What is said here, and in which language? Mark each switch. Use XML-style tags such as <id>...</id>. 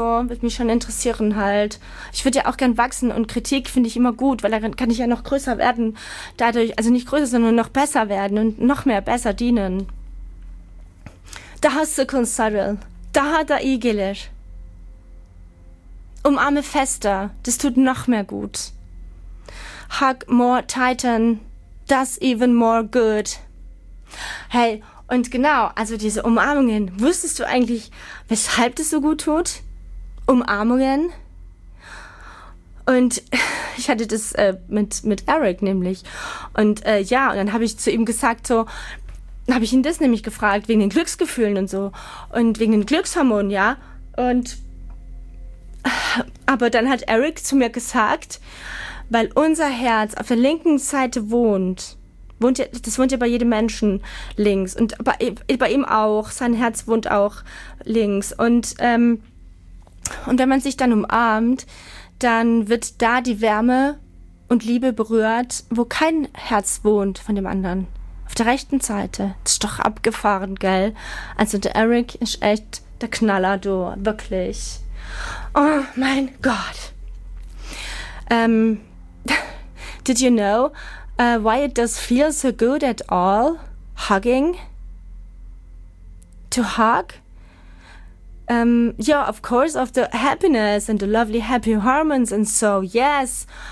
<de>Würde mich schon interessieren halt. Ich würde ja auch gern wachsen und Kritik finde ich immer gut, weil dann kann ich ja noch größer werden dadurch. Also nicht größer, sondern noch besser werden und noch mehr besser dienen. Da hast du Kunst, Cyril. Da hat er Igelisch. Umarme fester, das tut noch mehr gut.</de> <en>Hug more tighten, that's even more good.</en> <de>Hey, und genau, also diese Umarmungen, wusstest du eigentlich, weshalb das so gut tut? Umarmungen? Und ich hatte das mit Eric nämlich. Und ja, und dann habe ich zu ihm gesagt so, habe ich ihn das nämlich gefragt, wegen den Glücksgefühlen und so. Und wegen den Glückshormonen, ja. Und aber dann hat Eric zu mir gesagt, weil unser Herz auf der linken Seite wohnt ja, das wohnt ja bei jedem Menschen links und bei ihm auch, sein Herz wohnt auch links und wenn man sich dann umarmt, dann wird da die Wärme und Liebe berührt, wo kein Herz wohnt von dem anderen, auf der rechten Seite. Das ist doch abgefahren, gell? Also der Eric ist echt der Knaller, du, wirklich. Oh mein Gott.</de> <en>Did you know why it does feel so good at all? Hugging? To hug? Yeah, of course, of the happiness and the lovely happy hormones and so, yes.</en>